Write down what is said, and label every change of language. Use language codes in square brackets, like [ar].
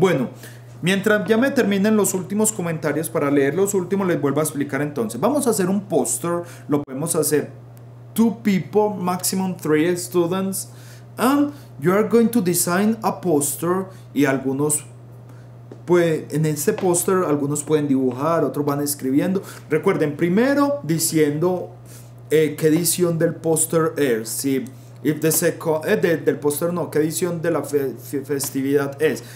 [es] Bueno, mientras ya me terminen los últimos comentarios, para leer los últimos, les vuelvo a explicar entonces. Vamos a hacer un póster, lo podemos hacer. [en] 2 people, maximum 3 students, and you are going to design a poster. [es] Y algunos, pues, en este poster, algunos pueden dibujar, otros van escribiendo. Recuerden, primero diciendo qué edición del poster es. Si, [en] if the second, [es] del poster no, qué edición de la festividad es.